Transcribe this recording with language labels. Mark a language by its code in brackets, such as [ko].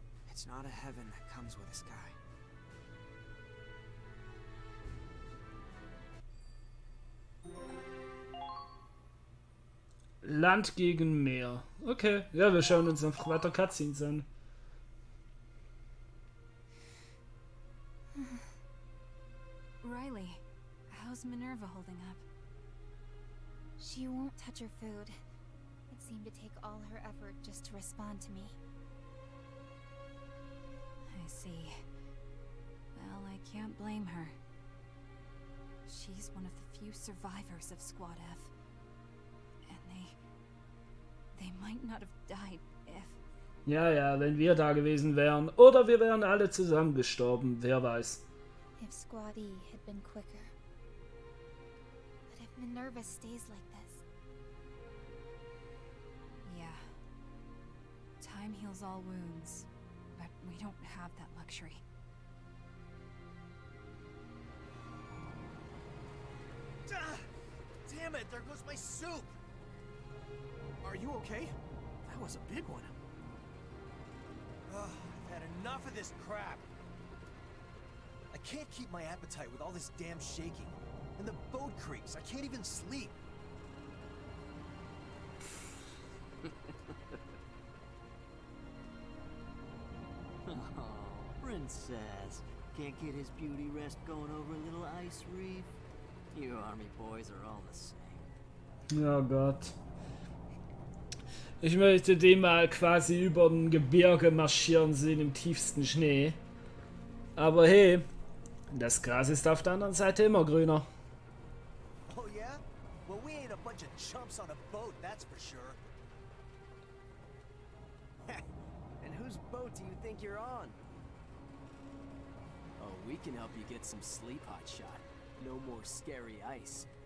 [en] It's not a heaven that comes with a sky. [de] Land gegen Meer. Okay, ja, wir schauen uns noch weiter Cutscenes an. [en] Riley, how's Minerva holding up? She won't touch her food. It seemed to take all her effort just to respond to me. I see. Well, I can't blame her. She's one of the few survivors of Squad F. And they might not have died [de] Ja, wenn wir da gewesen wären. Oder wir wären alle zusammen gestorben, wer weiß. [en] If Squad E had been quicker. But if Minerva stays like this. Yeah. Time heals all wounds. But we don't have that luxury. Damn it, there goes my soup! Are you okay? That was a big one. Ugh, I've had enough of this crap. I can't keep my appetite with all this damn shaking. And the boat creaks, I can't even sleep. Oh, princess. Can't get his beauty rest going over a little ice reef. You army boys are all the same. [de] Oh Gott. Ich möchte den mal quasi über ein Gebirge marschieren sehen im tiefsten Schnee. Aber hey, das Gras ist auf der anderen Seite immer grüner. [en] Oh yeah? Well, we ain't a bunch of chumps on a boat, that's for sure. And whose boat do you think you're on? Oh, we can help you get some sleep, Hotshot. No more scary ice.